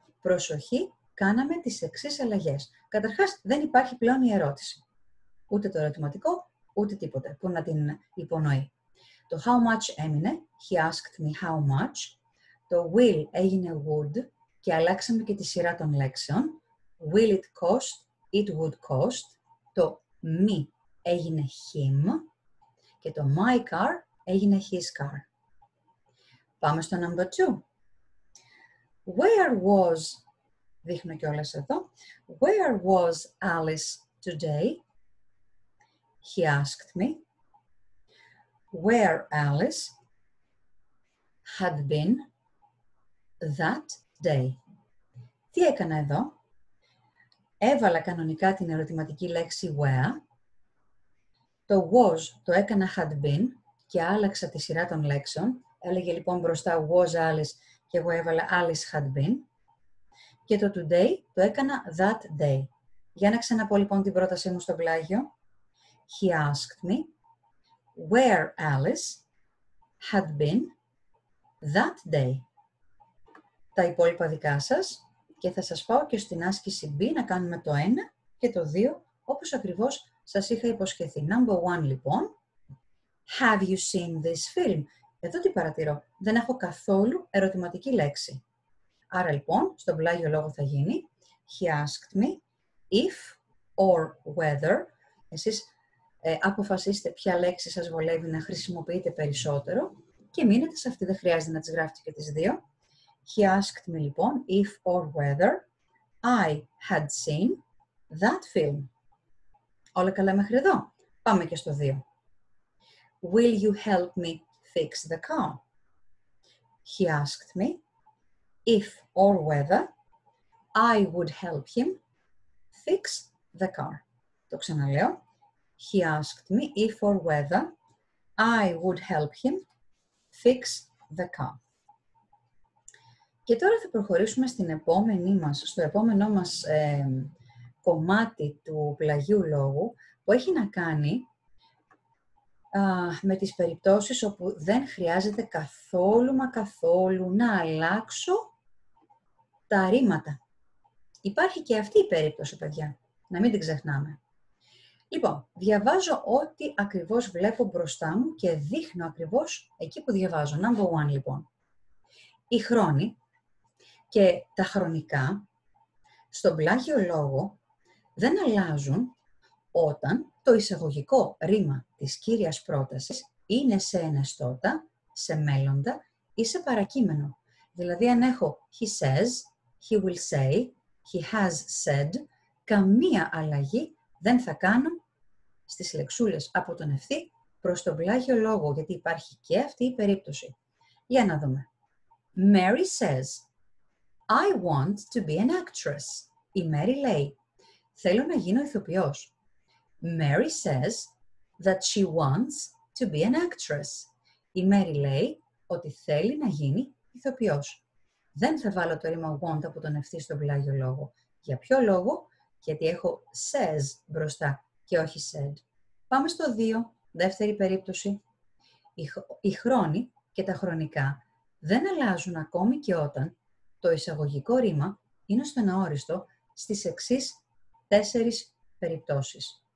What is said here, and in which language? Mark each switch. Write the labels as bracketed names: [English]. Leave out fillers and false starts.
[Greek] Προσοχή, κάναμε τις εξής αλλαγές. Καταρχάς, δεν υπάρχει πλέον η ερώτηση. Ούτε το ερωτηματικό, ούτε τίποτα που να την υπονοεί. [English] Το how much έμεινε, he asked me how much. [Greek] Το will έγινε would και αλλάξαμε και τη σειρά των λέξεων. [English] Will it cost, it would cost. Το me έγινε him και το my car έγινε his car. [Greek] Πάμε στο number two. [English] Where was, [Greek] δείχνω κιόλας εδώ, [English] where was Alice today? He asked me where Alice had been that day. [Greek] Τι έκανα εδώ? Έβαλα κανονικά την ερωτηματική λέξη where. Το was το έκανα had been και άλλαξα τη σειρά των λέξεων. Έλεγε λοιπόν μπροστά was Alice και εγώ έβαλα Alice had been. Και το today το έκανα that day. Για να ξαναπώ λοιπόν την πρότασή μου στο πλάγιο. [English] He asked me where Alice had been that day. [Greek] τα υπόλοιπα δικά σας και θα σας πάω και στην άσκηση B να κάνουμε το 1 και το 2 όπως ακριβώς σας είχα υποσχεθεί. [English] Number 1 λοιπόν, have you seen this film? [Greek] Εδώ τι παρατηρώ, δεν έχω καθόλου ερωτηματική λέξη. Άρα λοιπόν, στον πλάγιο λόγο θα γίνει, [English] he asked me if or whether, [Greek] εσείς αποφασίστε ποια λέξη σας βολεύει να χρησιμοποιείτε περισσότερο και μείνετε σε αυτή, δεν χρειάζεται να τις γράφετε και τις δύο. [English] He asked me, λοιπόν, if or whether I had seen that film. [Greek] Όλα καλά μέχρι εδώ. Πάμε και στο 2. [English] Will you help me fix the car? He asked me if or whether I would help him fix the car. [Greek] Το ξαναλέω. [English] He asked me if or whether I would help him fix the car. [Greek] Και τώρα θα προχωρήσουμε στην επόμενη μας, στο επόμενό μας κομμάτι του πλαγίου λόγου που έχει να κάνει με τις περιπτώσεις όπου δεν χρειάζεται καθόλου μα καθόλου να αλλάξω τα ρήματα. Υπάρχει και αυτή η περίπτωση, παιδιά, να μην την ξεχνάμε. Λοιπόν, διαβάζω ό,τι ακριβώς βλέπω μπροστά μου και δείχνω ακριβώς εκεί που διαβάζω. [English] Number one, λοιπόν. [Greek] Η χρόνη και τα χρονικά, στον πλάγιο λόγο, δεν αλλάζουν όταν το εισαγωγικό ρήμα της κύριας πρότασης είναι σε εναιστώτα, σε μέλλοντα ή σε παρακείμενο. Δηλαδή, αν έχω [English] he says, he will say, he has said, [Greek] καμία αλλαγή δεν θα κάνω στις λεξούλες από τον ευθύ προς τον πλάγιο λόγο, γιατί υπάρχει και αυτή η περίπτωση. Για να δούμε. [English] Mary says, I want to be an actress. [Greek] Η Mary λέει, θέλω να γίνω ηθοποιός. [English] Mary says that she wants to be an actress. [Greek] Η Mary λέει ότι θέλει να γίνει ηθοποιός. Δεν θα βάλω το ρήμα want από τον ευθύ στον πλάγιο λόγο. Για ποιο λόγο? Γιατί έχω says μπροστά και όχι said. Πάμε στο 2, δεύτερη περίπτωση. Οι χρόνοι και τα χρονικά δεν αλλάζουν ακόμη και όταν το εισαγωγικό ρήμα είναι στον αόριστο στις εξής 4 περιπτώσεις.